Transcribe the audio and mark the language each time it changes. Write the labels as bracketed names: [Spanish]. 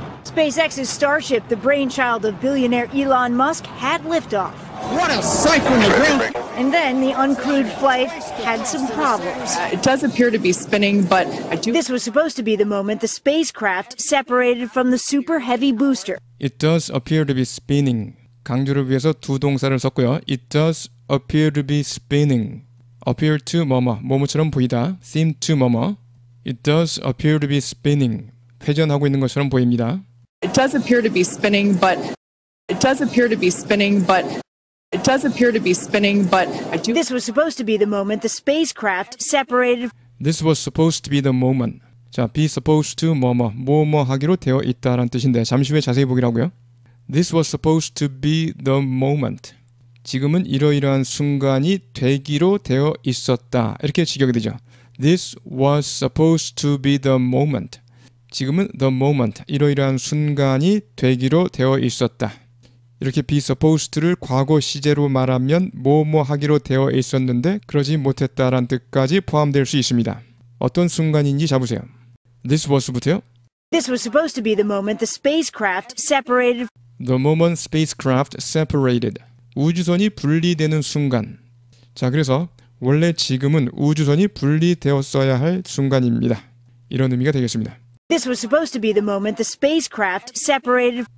[English] SpaceX's Starship, the brainchild of billionaire Elon Musk, had liftoff. What a sight from the ground! And then the uncrewed flight had some problems. It does appear to be spinning, but I do... This was supposed to be the moment the spacecraft separated from the super heavy booster. It does appear to be spinning. [Korean] 강조를 위해서 두 동사를 썼고요. [English] It does appear to be spinning. Appear to [Korean] 뭐뭐, 뭐뭐처럼 보이다. [English] Seem to 뭐뭐. It does appear to be spinning. [Korean] 회전하고 있는 것처럼 보입니다. [English] It does appear to be spinning, but... It does appear to be spinning, but... It does appear to be spinning, but... I do... This was supposed to be the moment the spacecraft separated... This was supposed to be the moment. [Korean] 자, [English] be supposed to [Korean] 뭐뭐, 뭐뭐 하기로 되어 있다라는 뜻인데 잠시 후에 자세히 보기라고요. [English] This was supposed to be the moment. [Korean] 지금은 이러이러한 순간이 되기로 되어 있었다. 이렇게 직역이 되죠. [English] This was supposed to be the moment. [Korean] 지금은 [English] the moment, [Korean] 이러이러한 순간이 되기로 되어 있었다. 이렇게 [English] be supposed [Korean] 를 과거 시제로 말하면 뭐뭐하기로 되어 있었는데 그러지 못했다라는 뜻까지 포함될 수 있습니다. 어떤 순간인지 잡으세요. [English] This was부터요. This was supposed to be the moment the spacecraft separated. The moment spacecraft separated. [Korean] 우주선이 분리되는 순간. 자, 그래서 원래 지금은 우주선이 분리되었어야 할 순간입니다. 이런 의미가 되겠습니다. [English] This was supposed to be the moment the spacecraft separated.